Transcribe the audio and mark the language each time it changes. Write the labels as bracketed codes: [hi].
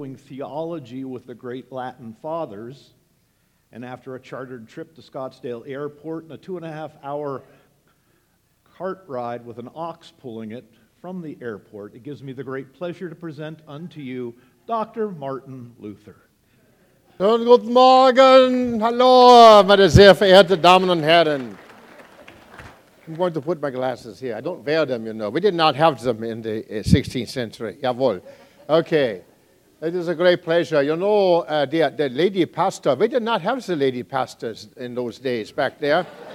[en] following theology with the great Latin fathers, and after a chartered trip to Scottsdale Airport and a 2.5-hour cart ride with an ox pulling it from the airport, it gives me the great pleasure to present unto you Dr. Martin Luther. [de] Guten Morgen, hallo, meine sehr verehrten Damen und Herren. [en] I'm going to put my glasses here. I don't wear them, you know. We did not have them in the 16th century. [de] Jawohl. [en] Okay. It is a great pleasure. You know, the lady pastor, we did not have the lady pastors in those days back there.